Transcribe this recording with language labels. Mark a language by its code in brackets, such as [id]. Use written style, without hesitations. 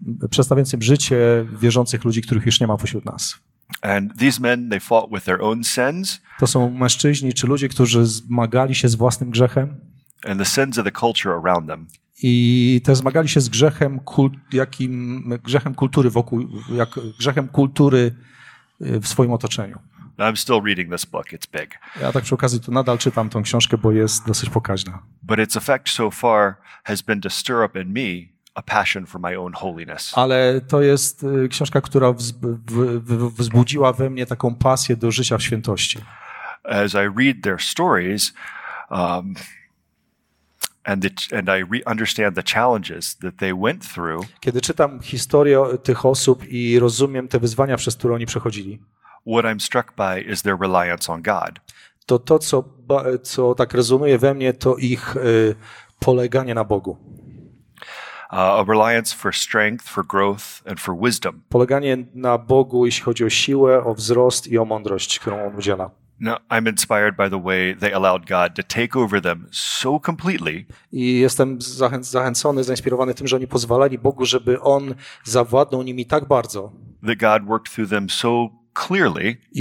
[pl] Przedstawiającym życie wierzących ludzi, których już nie ma pośród nas. [en] And these men, they fought with their own sins. [pl] To są mężczyźni czy ludzie, którzy zmagali się z własnym grzechem [en] And the sins of the culture around them. [pl] i też zmagali się z grzechem, grzechem kultury grzechem kultury w swoim otoczeniu. [en] I'm still reading this book. It's big. [pl] Ja tak przy okazji to nadal czytam tą książkę, bo jest dosyć pokaźna. [en] But its effect so far has been to stir up in me a passion for my own holiness. [pl] Ale to jest książka, która wzbudziła we mnie taką pasję do życia w świętości. [en] As I read their stories, and I understand the challenges that they went through. [pl] Kiedy czytam historię tych osób i rozumiem te wyzwania, przez które oni przechodzili. [en] What I'm struck by is their reliance on God. [pl] To, co tak rezonuje we mnie, to ich poleganie na Bogu. [en] A reliance for strength, for growth, and for wisdom. [pl] Poleganie na Bogu, jeśli chodzi o siłę, o wzrost i o mądrość, którą On udziela. [en] Now, I'm inspired by the way they allowed God to take over them so completely. [pl] I jestem zachęcony, zainspirowany tym, że oni pozwalali Bogu, żeby On zawładnął nimi tak bardzo. [en] That God worked through them so clearly.